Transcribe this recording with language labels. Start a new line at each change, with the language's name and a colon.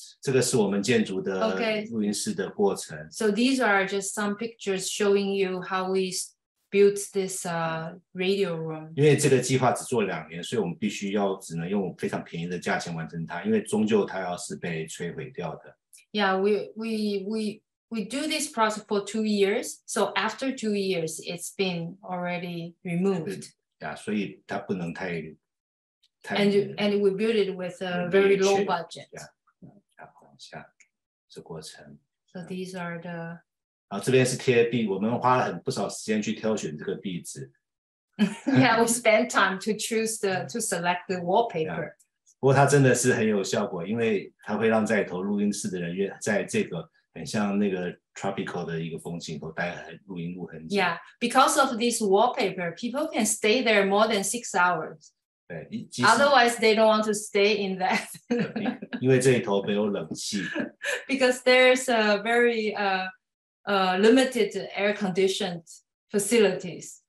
Chinese: 然后我们这个是我们建筑的录音室的过程。
English: So these are just some pictures showing you how we built this radio room.
Chinese: 因为这个计划只做两年，所以我们必须要只能用非常便宜的价钱完成它，因为终究它要是被摧毁掉的。Yeah,
English: we do this process for 2 years. So after 2 years, it's been already removed.
Chinese: Yeah, 所以它不能太。
English: And we built it with a very low budget. Yeah. So these are the...
Chinese: 这边是贴壁, 我们花了很不少时间去挑选这个壁纸。
English: Yeah, we spent time to choose the, to select the wallpaper. Yeah.
Chinese: 不过它真的是很有效果, 因为它会让在头录音室的人, 在这个很像那个 tropical的一个风景头待录音录很久。
English: Yeah, because of this wallpaper, people can stay there more than 6 hours.
Chinese: 对,
English: otherwise, they don't want to stay in that.
Chinese: 因为这里头没有冷气。
English: Because there's a very limited air-conditioned facilities.